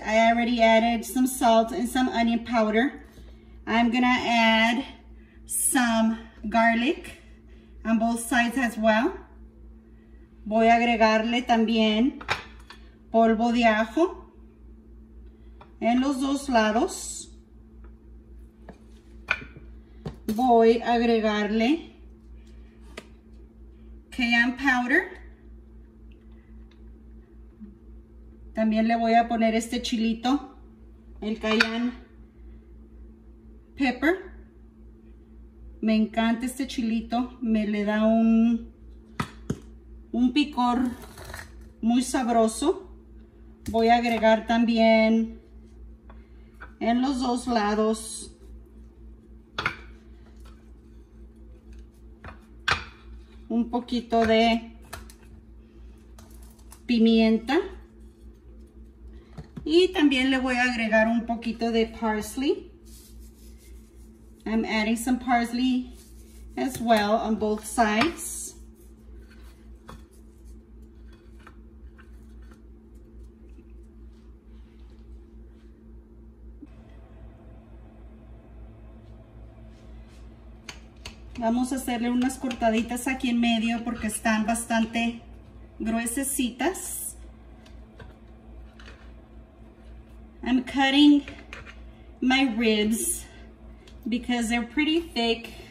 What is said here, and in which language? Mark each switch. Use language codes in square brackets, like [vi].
[en] I already added some salt and some onion powder. I'm gonna add some garlic on both sides as well. [es] Voy a agregarle también polvo de ajo en los dos lados. Voy a agregarle [en] cayenne powder. [es] También le voy a poner este chilito, el cayenne pepper. Me encanta este chilito, me le da un picor muy sabroso. Voy a agregar también en los dos lados un poquito de pimienta y también le voy a agregar un poquito de parsley. [en] I'm adding some parsley as well on both sides. [es] Vamos a hacerle unas cortaditas aquí en medio porque están bastante gruesecitas. [en] I'm cutting my ribs because they're pretty thick.